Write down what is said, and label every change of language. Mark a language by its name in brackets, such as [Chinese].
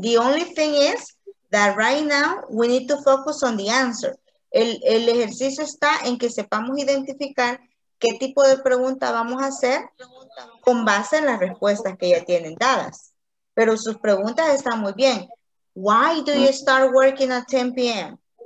[English] The only thing is that right now we need to focus on the answer. [Spanish] El ejercicio está en que sepamos identificar qué tipo de pregunta vamos a hacer con base en las respuestas que ya tienen dadas. Pero sus preguntas están muy bien. [English] Why do you start working at 10 p.m.?